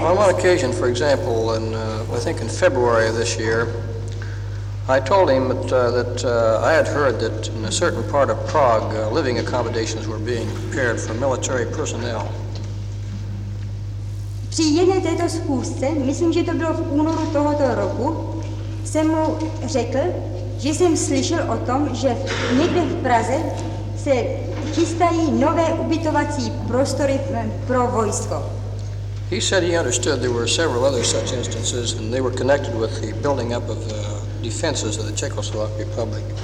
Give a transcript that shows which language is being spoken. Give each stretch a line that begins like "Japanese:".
English: On one occasion, for example, in, I think in February of this year, I told him that I had heard that in a certain part of Prague, living accommodations were being prepared for military personnel.
Czech: Při jedné této schůzce, myslím, že to bylo v únoru tohoto roku, jsem mu řekl, že jsem slyšel o tom, že někde v Praze se chystají nové ubytovací prostory pro vojsko.
English: He said he understood there were several other such instances and they were connected with the building up of the defenses of the Czechoslovak Republic.